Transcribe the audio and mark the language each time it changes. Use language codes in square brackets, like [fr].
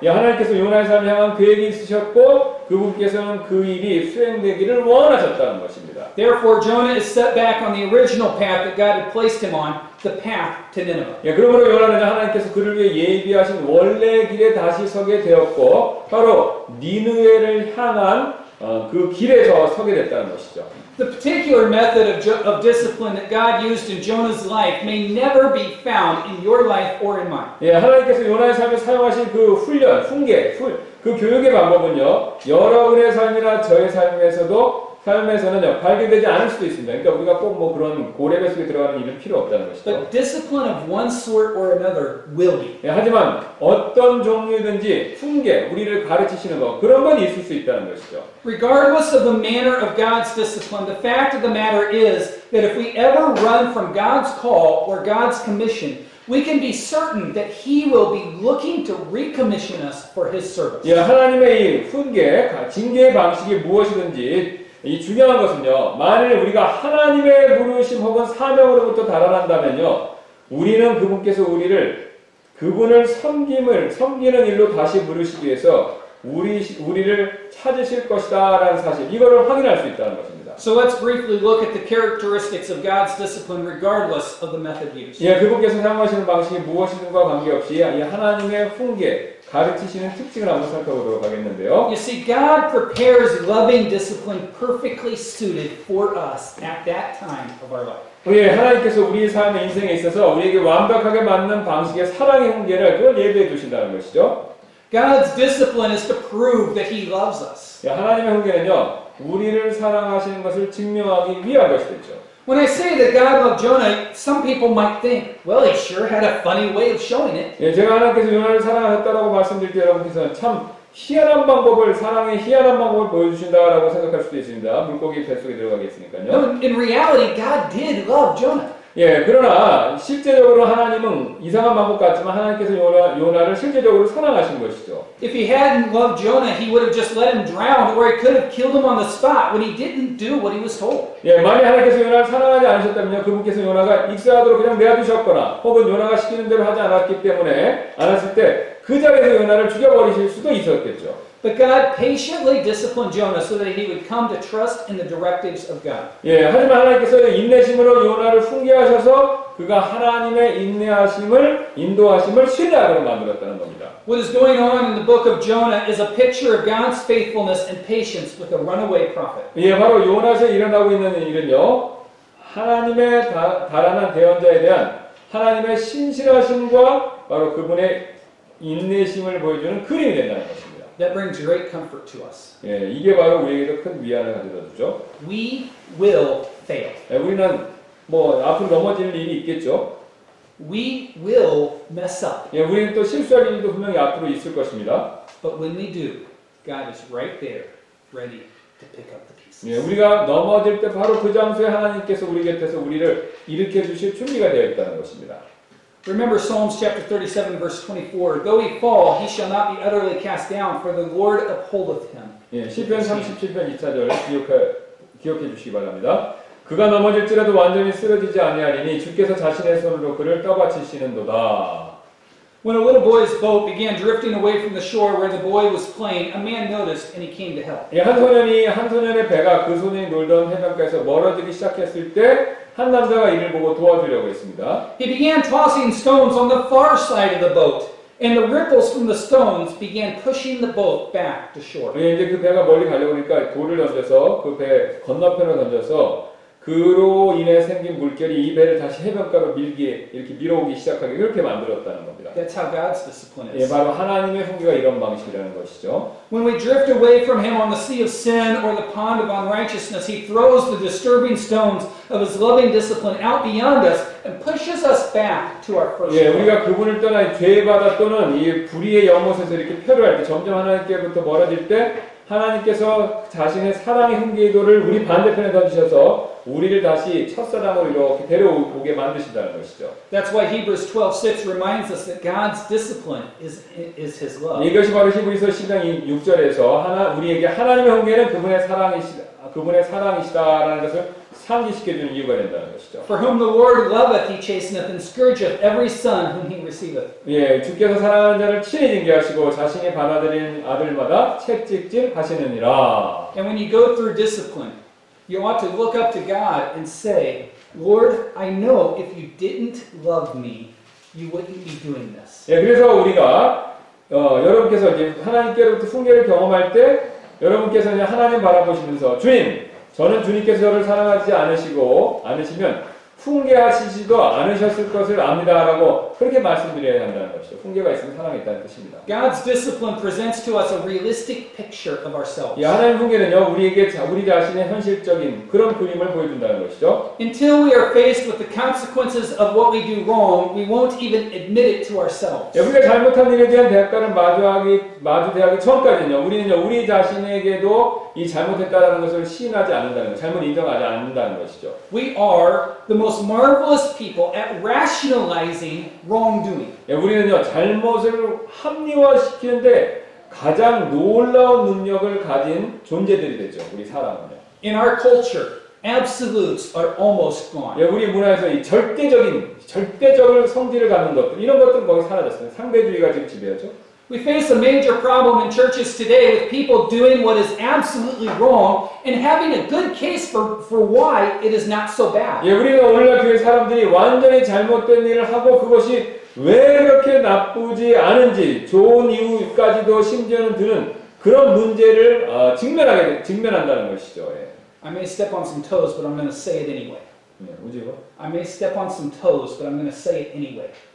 [ko] 예, 하나님께서 요나의 삶을 향한 계획이 있으셨고, 그분께서는 그 일이 수행되기를 원하셨다는 것입니다. [en] Therefore, Jonah is set back on the original path that God had placed him on, the path to Nineveh. [ko] 예, 그러므로 요나는 하나님께서 그를 위해 예비하신 원래 길에 다시 서게 되었고, 바로 니느웨를 향한 그 길에서 서게 됐다는 것이죠. [en] The particular method of discipline that God used in Jonah's life may never be found in your life or in mine. [ko] 예, 하나님께서 요나의 삶에 사용하신 그 훈련, 훈계, 그 교육의 방법은요, 여러분의 삶이나 저의 삶에서는요 발견되지 않을 수도 있습니다. 그러니까 우리가 꼭 뭐 그런 고래 배속에 들어가는 일은 필요 없다는 것이죠. [en] But discipline of one sort or another will be. [ko] 예, 하지만 어떤 종류든지 훈계, 우리를 가르치시는 것 그런 건 있을 수 있다는 것이죠. [en] Regardless of the manner of God's discipline, the fact of the matter is that if we ever run from God's call or God's commission, we can be certain that He will be looking to recommission us for His service. [ko] 예, 하나님의 이 훈계, 징계의 방식이 무엇이든지. 이 중요한 것은요. 만일 우리가 하나님의 부르심 혹은 사명으로부터 달아난다면요. 우리는 그분께서 우리를 그분을 섬기는 일로 다시 부르시기 위해서 우리를 찾으실 것이다라는 사실. 이거를 확인할 수 있다는 것입니다. [en] So let's briefly look at the characteristics of God's discipline regardless of the method used. [ko] 예, 그분께서 사용하시는 방식이 무엇인가 관계없이 이 하나님의 훈계 가르치시는 특징을 한번 살펴보도록 하겠는데요. [en] You see, God prepares loving discipline perfectly suited for us at that time of our life. [ko] 예, 하나님께서 우리 삶의 인생에 있어서 우리에게 완벽하게 맞는 방식의 사랑의 훈계를 그걸 예비해 주신다는 것이죠. [en] God's discipline is to prove that He loves us. [ko] 예, 하나님의 훈계는요, 우리를 사랑하시는 것을 증명하기 위한 것이겠죠. [en] When I say that God loved Jonah, some people might think, well, he sure had a funny way of showing it. [ko] 예, 제가 하나님께서 요나를 사랑하셨다라고 말씀드릴 때 여러분께서는 참 희한한 방법을, 사랑의 희한한 방법을 보여주신다라고 생각할 수도 있습니다. 물고기 뱃속에 들어가겠으니까요. [en] No, in reality, God did love Jonah. [ko] 예, 그러나 실제적으로 하나님은 이상한 방법 같지만 하나님께서 요나를 실제적으로 사랑하신 것이죠. [en] If he hadn't loved Jonah, he would have just let him drown, or he could have killed him on the spot when he didn't do what he was told. [ko] 예, 만약 하나님께서 요나를 사랑하지 않으셨다면요, 그분께서 요나가 익사하도록 그냥 내어두셨거나, 혹은 요나가 시키는 대로 하지 않았기 때문에 않았을 때 그 자리에서 요나를 죽여버리실 수도 있었겠죠. [en] But God patiently disciplined Jonah so that he would come to trust in the directives of God. [ko] 예, 하지만 하나님께서 인내심으로 요나를 훈계하셔서 그가 하나님의 인도하심을 신뢰하도록 만들었다는 겁니다. [en] What is going on in the book of Jonah is a picture of God's faithfulness and patience with a runaway prophet. [ko] 예, 바로 요나서 일어나고 있는 일은요, 하나님의 달아난 대언자에 대한 하나님의 신실하심과 바로 그분의 인내심을 보여주는 그림이 된다는 것입니다. [en] That brings great comfort to us. [ko] 예, 이게 바로 우리에게도 큰 위안을 가져다 주죠. [en] We will fail. [ko] 예, 우리는 뭐 앞으로 넘어질 일이 있겠죠. [en] We will mess up. [ko] 예, 우리는 또 실수할 일도 분명히 앞으로 있을 것입니다. [en] But when we do, God is right there, ready to pick up the pieces. [ko] 예, 우리가 넘어질 때 바로 그 장소에 하나님께서 우리 곁에서 우리를 일으켜 주실 준비가 되어 있다는 것입니다. [en] Remember Psalms chapter 37 verse 24. Though he fall, he shall not be utterly cast down, for the Lord upholdeth him. [ko] 예, 시편 37편 2절 기억해 주시기 바랍니다. 그가 넘어질지라도 완전히 쓰러지지 아니하리니 주께서 자신의 손으로 그를 떠받치시는도다. [en] When a little boy's boat began drifting away from the shore where the boy was playing, a man noticed and he came to help. [ko] 예, 한 소년의 배가 그 소년이 놀던 해변가에서 멀어지기 시작했을 때 한 남자가 이를 보고 도와주려고 했습니다. [en] He began tossing stones on the far side of the boat, and the ripples from the stones began pushing the boat back to shore. [ko] 예, 이제 그 배가 멀리 가려고 하니까 돌을 던져서 그 배 건너편을 던져서 그로 인해 생긴 물결이 이 배를 다시 해변가로 밀기에 이렇게 밀어오기 시작하게 그렇게 만들었다는 겁니다. [en] That's how God's discipline is. [ko] 예, 바로 하나님의 훈계가 이런 방식이라는 것이죠. [en] When we drift away from Him on the sea of sin or the pond of unrighteousness, He throws the disturbing stones of His loving discipline out beyond us and pushes us back to our first love. [ko] 예, 우리가 그분을 떠나 죄의 바다 또는 이 불의의 연못에서 이렇게 표류할 때 점점 하나님께부터 멀어질 때 하나님께서 자신의 사랑의 훈계도를 우리 반대편에 던지셔서 우리를 다시 첫사랑으로 이렇게 데려오게 만드신다는 것이죠. [en] That's why Hebrews 12:6 reminds us that God's discipline is His love. [ko] 이것이 바로 히브리서 10장 6절에서 하나 우리에게 하나님의 훈계는 그분의 사랑이시다라는 것을 상기시켜주는 이유가 된다는 것이죠. [en] For whom the Lord loveth, He chasteneth and scourgeth every son whom He receiveth. [ko] 예, 주께서 사랑하는 자를 친히 징계하시고 자신이 받아들인 아들마다 채찍질 하시느니라. [en] And when you go through discipline, you ought to look up to God and say, Lord, I know if you didn't love me, you wouldn't be doing this. [ko] 예, 그래서 우리가 여러분께서 이제 하나님께로부터 훈계를 경험할 때 여러분께서 이제 하나님 바라보시면서 주님, 저는 주님께서 저를 사랑하지 않으시면 훈계하시지도 않으셨을 것을 압니다라고 그렇게 말씀드려야 한다는 것이죠. 훈계가 있으면 사랑이 있다는 뜻입니다. [en] God's discipline presents to us a realistic picture of ourselves. [ko] 이 하나님 훈계는요, 우리에게 우리 자신의 현실적인 그런 그림을 보여준다는 것이죠. [en] Until we are faced with the consequences of what we do wrong, we won't even admit it to ourselves. [ko] 예, 우리가 잘못한 일에 대한 대가를 마주대하기 전까지는요, 우리는요, 우리 자신에게도 이 잘못했다는 것을 시인하지 않는다는 것, 잘못 인정하지 않는다는 것이죠. [en] We are the most marvelous people at rationalizing wrongdoing. [ko] 예, 우리는요, 잘못을 합리화시키는데 가장 놀라운 능력을 가진 존재들이 되죠, 우리 사람은요. [en] In our culture, absolutes are almost gone. [ko] 예, 우리 문화에서 이 절대적인 성질을 갖는 것들, 이런 것들은 거의 사라졌어요. 상대주의가 지금 지배하죠. [en] We face a major problem in churches today with people doing what is absolutely wrong and having a good case for why it is not so bad. [ko] 예, 우리가 오늘날 교회 사람들이 완전히 잘못된 일을 하고 그것이 왜 이렇게 나쁘지 않은지 좋은 이유까지도 심지어는 드는 그런 문제를 직면한다는 것이죠. 예. [en] I may step on some toes, but I'm going to say it anyway. [ko] 예, 뭐죠? [en] I may step on some toes, but I'm going to say it anyway.